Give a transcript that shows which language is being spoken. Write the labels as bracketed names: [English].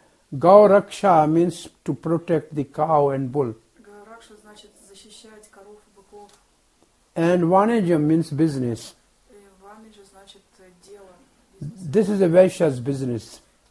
[English] Гау ракша means to protect the cow and bull. [Russian] Гау ракша значит защищать коров и быков. [English] And ваниджам means business. [Russian] Ваниджа значит дело. [English] This is a Vaishya's business.